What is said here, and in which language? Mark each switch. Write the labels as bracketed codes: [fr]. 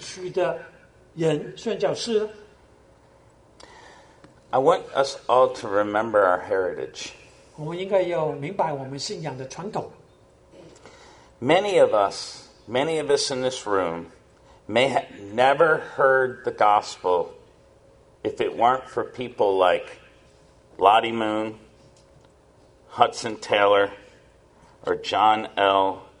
[zh] 那么你怎么样去支持这些愿意去的人宣教士? [en] I want us all to remember our heritage. [zh] 我们应该要明白我们信仰的传统。 [en] Many of us in this room may have never heard the gospel if it weren't for people like Lottie Moon, Hudson Taylor, or John L.